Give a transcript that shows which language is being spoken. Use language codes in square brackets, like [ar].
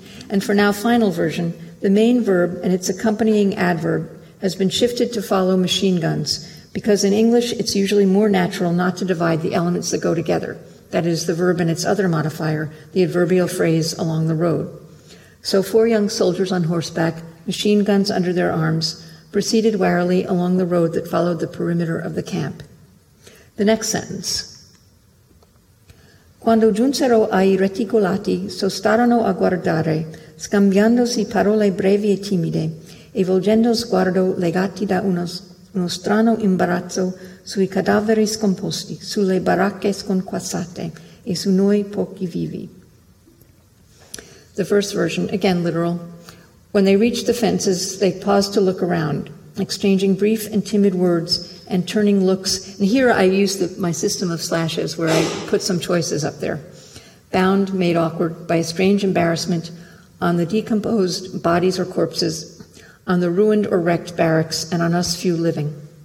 [en] And for now, final version, the main verb and its accompanying adverb has been shifted to follow machine guns, because in English it's usually more natural not to divide the elements that go together, that is, the verb and its other modifier, the adverbial phrase "along the road." So four young soldiers on horseback, machine guns under their arms, proceeded warily along the road that followed the perimeter of the camp. The next sentence. [it] Quando giunsero ai reticolati, sostarono a guardare, scambiandosi parole brevi e timide, e volgendo sguardo legati da uno strano imbarazzo sui cadaveri scomposti, sulle baracche sconquassate, e su noi pochi vivi. [en] The first version, again literal. When they reached the fences, they paused to look around, exchanging brief and timid words and turning looks. And here I use my system of slashes where I put some choices up there. Bound, made awkward by a strange embarrassment, on the decomposed bodies or corpses, on the ruined or wrecked barracks, and on us few living.